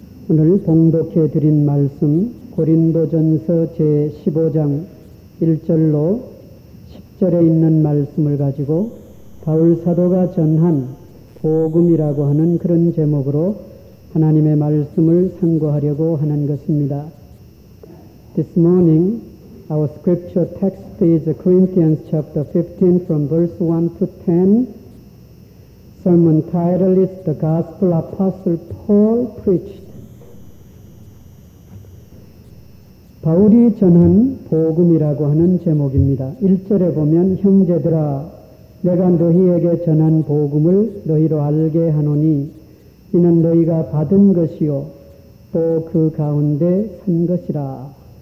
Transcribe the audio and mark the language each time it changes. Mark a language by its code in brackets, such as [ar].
[ko] 오늘 봉독해 드린 말씀 고린도전서 제15장 1절로 10절에 있는 말씀을 가지고 바울사도가 전한 복음이라고 하는 그런 제목으로 하나님의 말씀을 상고하려고 하는 것입니다. [en] This morning our scripture text is Corinthians chapter 15 from verse 1 to 10. Sermon title is The Gospel Apostle Paul Preached. [ko] 바울이 전한 복음이라고 하는 제목입니다. 1절에 보면 형제들아 내가 너희에게 전한 복음을 너희로 알게 하노니 이는 너희가 받은 것이요 또 그 가운데 산 것이라.